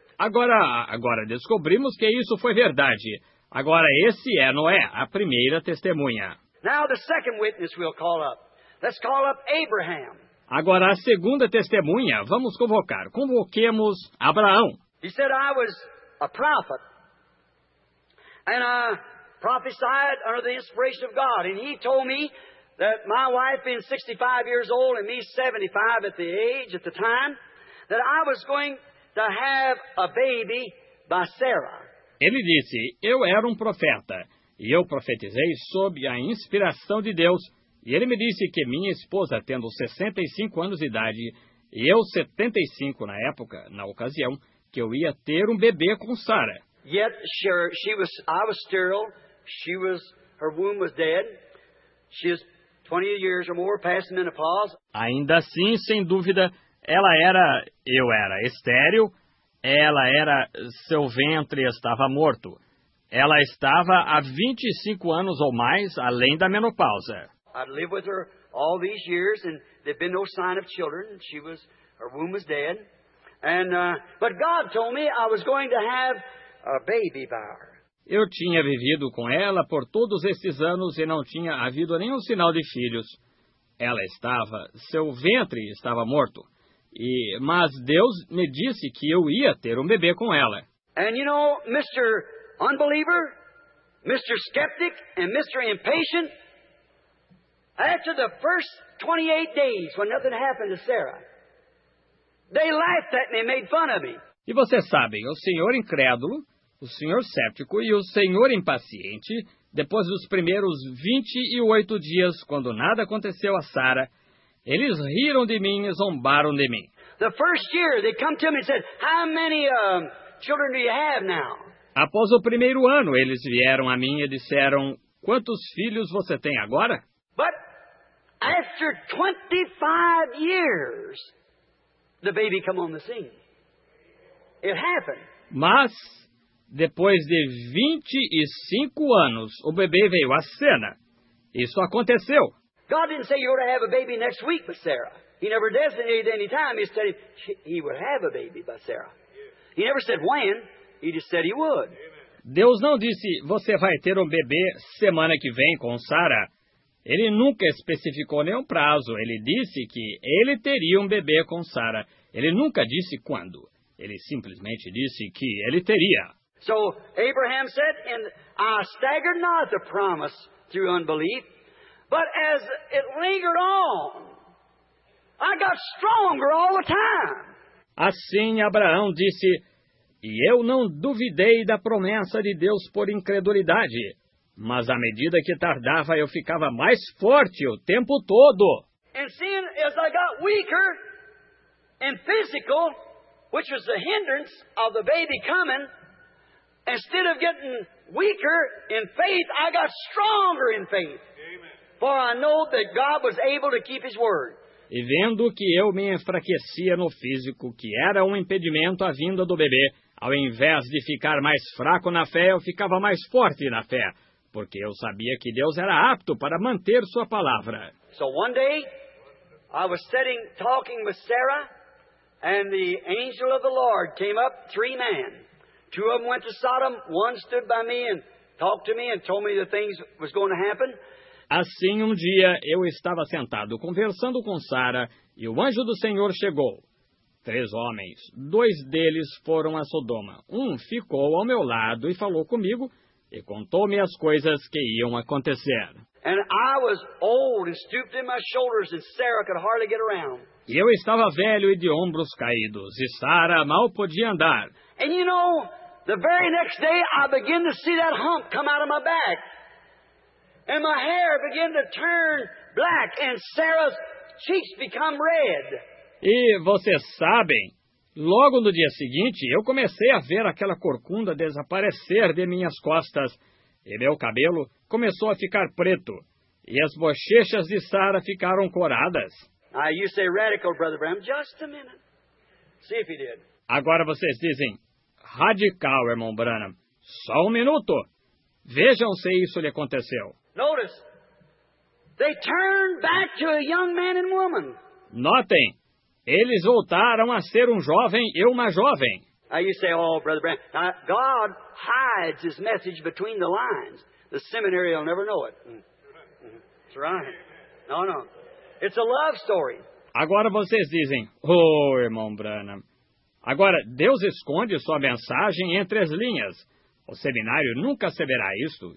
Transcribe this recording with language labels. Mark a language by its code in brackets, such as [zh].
[pt] Agora descobrimos que isso foi verdade. Agora esse é Noé, a primeira testemunha. [en] Now the second witness we'll call up. Let's call up Abraham. [pt] Agora a segunda testemunha, vamos convocar. Convoquemos Abraão. [en] He said I was a prophet. And I prophesied under the inspiration of God. And he told me that my wife being 65 years old and me 75 at the age, at the time, that I was going to have a baby by Sarah. [pt] Ele disse, eu era um profeta, e eu profetizei sob a inspiração de Deus. E ele me disse que minha esposa, tendo 65 anos de idade, e eu 75 na época, na ocasião, que eu ia ter um bebê com Sarah. [en] Yet, sure, I was sterile, her womb was dead, she is 20 years or more past menopause. [pt] Ainda assim, sem dúvida, Ela era, eu era estéril, ela era, seu ventre estava morto. Ela estava há 25 anos ou mais além da menopausa. [en] I'd lived with her all these years and there'd been no sign of children. She was, her womb was dead. And, but God told me I was going to have a baby by her. [pt] Eu tinha vivido com ela por todos esses anos e não tinha havido nenhum sinal de filhos. Ela estava, seu ventre estava morto. E, mas Deus me disse que eu ia ter um bebê com ela. [en] And you know, Mr. Unbeliever, Mr. Skeptic, and Mr. Impatient, after the first 28 days when nothing happened to Sarah, they laughed at me, made fun of me. [pt] E vocês sabem, o senhor incrédulo, o senhor cético e o senhor impaciente, depois dos primeiros 28 dias, quando nada aconteceu a Sarah, eles riram de mim e zombaram de mim. [en] The first year, they come to me and said, how many children do you have now? [pt] Após o primeiro ano, eles vieram a mim e disseram, quantos filhos você tem agora? [en] But after 25 years, the baby come on the scene. It happened. [pt] Mas depois de 25 anos, o bebê veio à cena. Isso aconteceu. [en] God didn't say you ought to have a baby next week with Sarah. He never designated any time. He said he would have a baby by Sarah. He never said when. He just said he would. [pt] Deus não disse, você vai ter um bebê semana que vem com Sarah. Ele nunca especificou nenhum prazo. Ele disse que ele teria um bebê com Sarah. Ele nunca disse quando. Ele simplesmente disse que ele teria. [en] So Abraham said, and I staggered not the promise through unbelief, but as it lingered on, I got stronger all the time. [pt] Assim Abraão disse, e eu não duvidei da promessa de Deus por incredulidade, mas à medida que tardava eu ficava mais forte o tempo todo. [en] And seeing as I got weaker and physical, which was the hindrance of the baby coming, instead of getting weaker in faith, I got stronger in faith. Amen. For I know that God was able to keep his word. [pt] E vendo que eu me enfraquecia no físico, que era um impedimento à vinda do bebê, ao invés de ficar mais fraco na fé, eu ficava mais forte na fé, porque eu sabia que Deus era apto para manter sua palavra. [en] So one day, I was sitting talking with Sarah, and the angel of the Lord came up, three men. Two of them went to Sodom, one stood by me and talked to me and told me the things was going to happen. [pt] Assim, um dia, eu estava sentado conversando com Sarah e o anjo do Senhor chegou. Três homens, dois deles foram a Sodoma. Um ficou ao meu lado e falou comigo e contou-me as coisas que iam acontecer. [en] And I was old and stooped in my shoulders and Sarah could hardly get around. [pt] E eu estava velho e de ombros caídos e Sarah mal podia andar. [en] And you know, the very next day I began to see that hump come out of my back. And my hair began to turn black and Sarah's cheeks become red. [pt] E vocês sabem, logo no dia seguinte eu comecei a ver aquela corcunda desaparecer de minhas costas e meu cabelo começou a ficar preto e as bochechas de Sarah ficaram coradas. [en] Now you say radical, Brother Bram, just a minute. See if he did. [pt] Agora vocês dizem radical, irmão Branham. Só um minuto. Vejam se isso lhe aconteceu. [en] Notice, they turned back to a young man and woman. [pt] Notem, eles voltaram a ser um jovem e uma jovem. [en] Now you say, oh, Brother Bram, now God hides his message between the lines. The seminary will never know it. That's right. No, no. It's a love story. [pt] Agora vocês dizem, oh, irmão Branham. Agora, Deus esconde sua mensagem entre as linhas. O seminário nunca saberá isso.